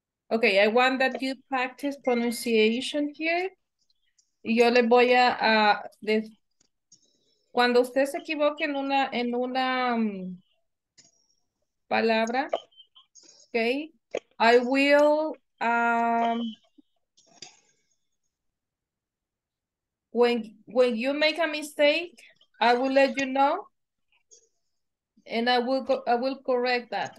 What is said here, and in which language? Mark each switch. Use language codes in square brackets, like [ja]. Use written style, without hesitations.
[en] Okay, I want that you practice pronunciation here. [es] Y yo les voy a... cuando usted se equivoque en una palabra, okay, [en] I will... when you make a mistake, I will let you know, and I will correct that.